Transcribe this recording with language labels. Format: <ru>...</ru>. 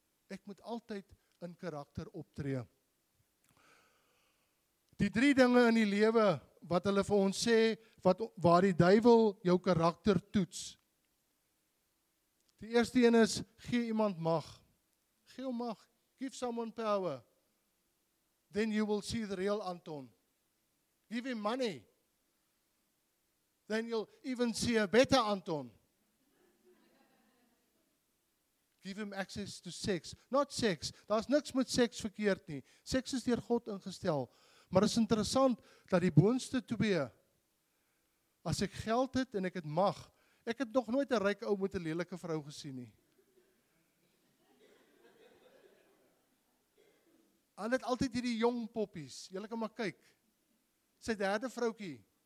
<af>Ek moet altyd in karakter optree. Die drie dinge in die lewe wat hulle vir ons sê, waar die duivel jou karakter toets. Die eerste een is, gee iemand mag. Gee hom mag.</af> <en>Give someone power. Then you will see the real Anton. Give him money. Then you'll even see a better Anton. Give him access to sex. Not sex.</en> <af>Daar is niks met seks verkeerd nie. Seks is deur God ingestel. Maar is interessant dat die boonste twee, as ek geld het en ek het mag, ek het nog nooit 'n ryk ou met 'n lelike vrou gesien nie. Hulle het altyd hierdie jong poppies. Julle kan maar kyk. Sy derde vroutjie.</af>